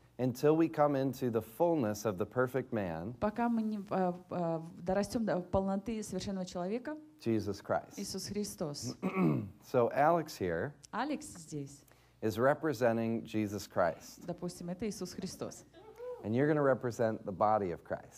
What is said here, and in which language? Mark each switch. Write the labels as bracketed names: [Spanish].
[English] Until we come into the fullness of the perfect man. [Russian] Пока мы не дорастем до полноты совершенного человека. [English] Jesus Christ. [Russian] Иисус Христос. [English] So Alex here. [Russian] Alex здесь. [English] Is representing Jesus Christ. [Russian] Допустим, это Иисус Христос. [English] And you're going to represent the body of Christ.